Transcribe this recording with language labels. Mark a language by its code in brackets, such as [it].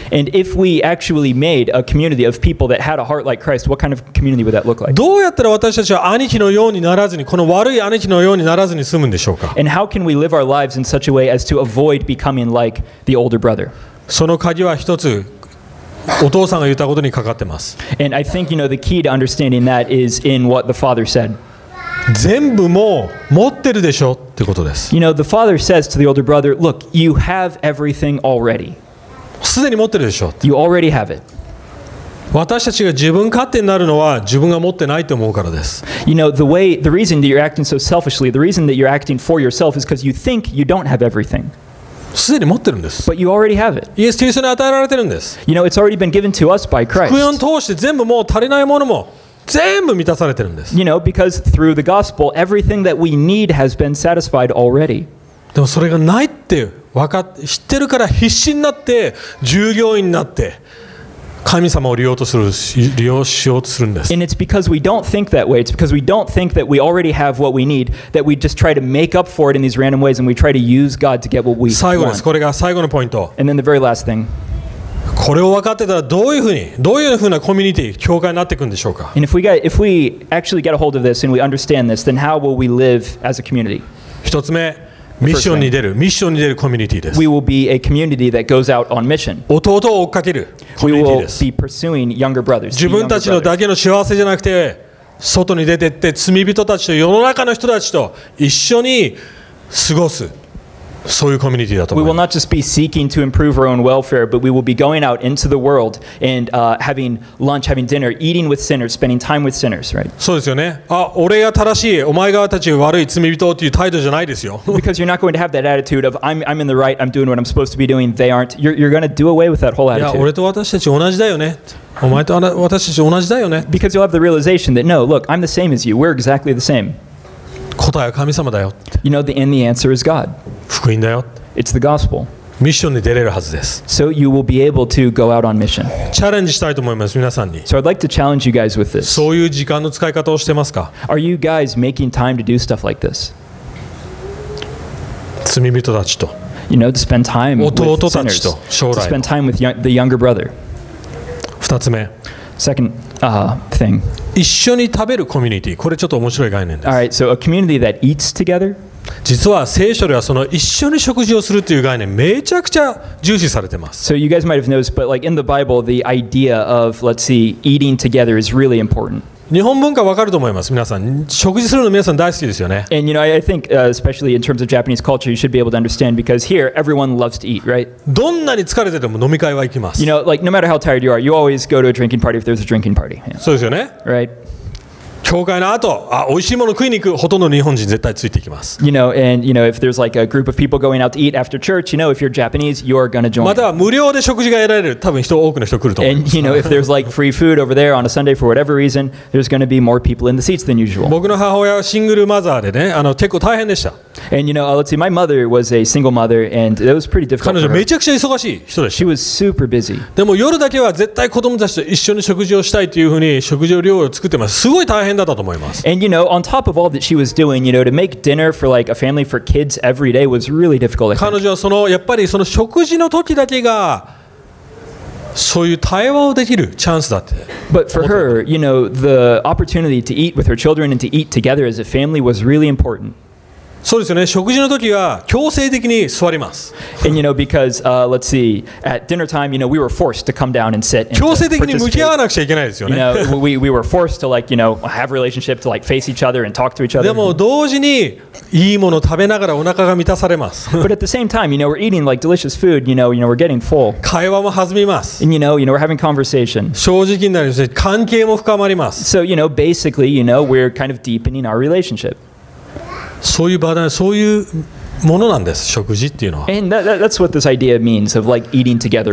[en] And if we actually made a community of people that had a heart like Christ, what kind of community would that look like? [ja] どうやったら私たちは兄貴のようにならずに、この悪い兄貴のようにならずに済むんでしょうか。 [en] And how can we live our lives in such a way as to avoid becoming like the older brother? [ja] その鍵は一つ、お父さんが言ったことにかかってます。 [en] And I think, you know, the key to understanding that is in what the father said. [ja] 全部もう持ってるでしょってことです。 [en] You know, the father says to the older brother, look, you have everything already. [ja] すでに持ってるでしょ。 [en] You already have it. [ja] 私たちが自分勝手になるのは自分が持ってないと思うからです。 [en] You know, the reason that you're acting so selfishly, the reason that you're acting for yourself is because you think you don't have everything. [ja] すでに持ってるんです。 [en] But you already have it. [ja] イエス・キリストに与えられてるんです。 [en] You know, it's already been given to us by Christ. [ja] 福音を通して全部もう足りないものも全部満たされてるんです。 [en] You know, because through the gospel, everything that we need has been satisfied already. [ja] でもそれがないって知ってるから必死になって従業員になって神様を利用しようとするんです。 [en] And it's because we don't think that way. It's because we don't think that we already have what we need that we just try to make up for it in these random ways and we try to use God to get what we want. [ja] 最後です。これが最後のポイント。 [en] And then the very last thing. [ja] これを分かってたらどういうふうなコミュニティ、教会になっていくんでしょうか。 [en] And if we actually get a hold of this and we understand this, then how will we live as a community? [ja] 一つ目。ミッションに出る、ミッションに出るコミュニティです。 [en] We will be a community that goes out on mission. [ja] 弟を追っかけるコミュニティです。 [en] We will be pursuing younger brothers. [ja] 自分たちのだけの幸せじゃなくて、外に出てって罪人たちと世の中の人たちと一緒に過ごす。そういうコミュニティだと思います。 [en] We will not just be seeking to improve our own welfare, but we will be going out into the world and having lunch, having dinner, eating with sinners, spending time with sinners, right? [ja] そうですよね。あ、俺が正しい、お前側たちが悪い罪人という態度じゃないですよ。 [en] Because you're not going to have that attitude of I'm in the right, I'm doing what I'm supposed to be doing, they aren't. You're going to do away with that whole attitude. [ja] いや、俺と私たち同じだよね。お前と私たち同じだよね。 [en] Because you'll have the realization that no, look, I'm the same as you. We're exactly the same. [ja] 答えは神様だよ。 [en] You know, the answer is God. [ja] 福音だよ。 [en] It's the gospel. [ja] ミッションに出れるはずです。 [en] So you will be able to go out on mission. [ja] チャレンジしたいと思います、皆さんに。 [en] So I'd like to challenge you guys with this. [ja] そういう時間の使い方をしてますか? [en] Are you guys making time to do stuff like this? [ja] 罪人たちと。 [en] You know, to spend time with sinners. [ja] 弟たちと、将来。 [en] To spend time with the younger brother. [ja] 二つ目。 [en] Second, thing. [ja] 一緒に食べるコミュニティ、これちょっと面白い概念です。 [en] All right, so a community that eats together. [ja] 実は聖書ではその一緒に食事をするという概念めちゃくちゃ重視されてます。 [en] So you guys might have noticed, but like in the Bible, the idea of let's see, eating together is really important. [ja] 日本文化わかると思います皆さん食事するの皆さん大好きですよね [en] And you know I think especially in terms of Japanese culture you should be able to understand because here everyone loves to eat right [ja] どんなに疲れてても飲み会は行きます [en] You know like no matter how tired you are you always go to a drinking party if there's a drinking party、yeah. [ja] そうですよね [en] Right [ja] 教会の後あ美味しいもの食いに行くほとんど日本人絶対ついていきます [en] You know and you know if there's like a group of people going out to eat after church you know if you're Japanese you're gonna join [ja] または無料で食事が得られる多分人多くの人来ると思います [en] And you know if there's like free food over there on a Sunday for whatever reason there's gonna be more people in the seats than usual [ja] 僕の母親はシングルマザーでね結構大変でした [en] And you know let's see my mother was a single mother and it was pretty difficult [ja] 彼女めちゃくちゃ忙しい人でした [en] She was super busy [ja] でも夜だけは絶対子供たちと一緒に食事をしたいというふうに食事量を作ってますすごい大変だ [en] And you know, on top of all that she was doing, you know, to make dinner for like a family for kids every day was really difficult. [ja] 彼女はそのやっぱりその食事の時だけがそういう対話をできるチャンスだって。 [en] But for her, you know, the opportunity to eat with her children and to eat together as a family was really important. [ja] そうですよね。食事の時は強制的に座ります。 [en] And you know, because, let's see, at dinner time, you know, we were forced to come down and sit. [ja] 強制的に向き合わなくちゃいけないですよね。 [en] You know, we were forced to like, you know, have relationship to like face each other and talk to each other. [ja] でも同時にいいものを食べながらお腹が満たされます。 [en] But at the same time, you know, we're eating like delicious food. You know, we're getting full. [ja] 会話も弾みます。 [en] And you know, we're having conversation. [ja] 正直になるし、関係も深まります。 [en] So, you know, basically, you know, we're kind of deepening our relationship. [ja] そういう場だね、そういうものなんです、食事っていうのは。 [en] And that's what this idea means of like eating together.